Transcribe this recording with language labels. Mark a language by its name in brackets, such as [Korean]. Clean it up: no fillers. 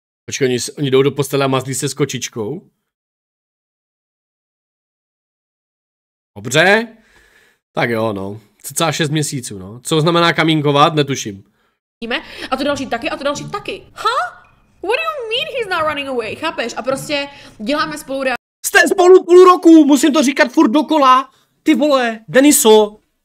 [Czech] Počkej, oni jdou do postele a mazlí se s kočičkou? Dobře. Tak jo, no. Cca 6 měsíců, no. Co znamená kamínkovat, netuším. A to další taky, a to další taky. Ha? Huh? [English] What do you mean he's not running away, [Czech] chápeš? A prostě děláme spolu... Jste spolu půl roku, musím to říkat furt dokola. Ty vole, Deniso,